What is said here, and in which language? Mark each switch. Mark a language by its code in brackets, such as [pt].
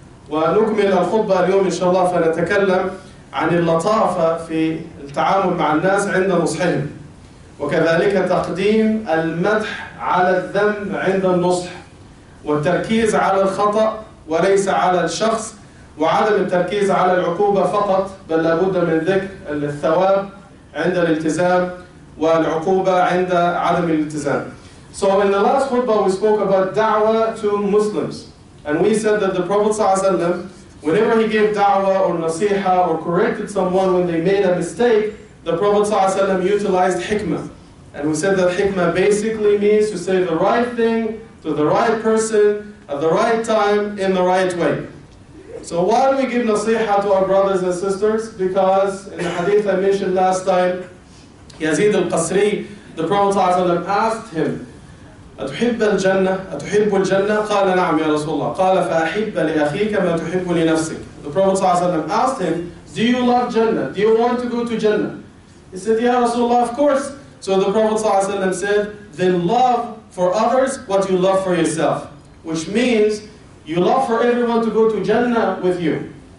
[ar] ونكمل الخطبة اليوم إن شاء الله فنتكلم عن اللطافة في التعامل مع الناس عند نصحهم وكذلك تقديم المدح على الذم عند النصح والتركيز على الخطأ وليس على الشخص وعدم التركيز على العقوبة فقط بل لابد من ذكر الثواب عند الالتزام والعقوبة عند عدم الالتزام. [en] So in the last khutbah we spoke about da'wah to Muslims and we said that the Prophet ﷺ whenever he gave da'wah or nasiha or corrected someone when they made a mistake the Prophet ﷺ utilized hikmah and we said that hikmah basically means to say the right thing to the right person at the right time in the right way. So why do we give nasiha to our brothers and sisters? Because in the hadith I mentioned last time, Yazid al-Qasri, the Prophet ﷺ asked him, [ar] أتحب الجنة؟ قال نعم يا رسول الله. قال فأحب لأخيك ما تحب لنفسك. [en] The Prophet ﷺ asked him, do you love Jannah? Do you want to go to Jannah? He said, ya Rasulullah, of course. So the Prophet ﷺ said, then love for others what you love for yourself. Which means, you love for everyone to go to Jannah with you.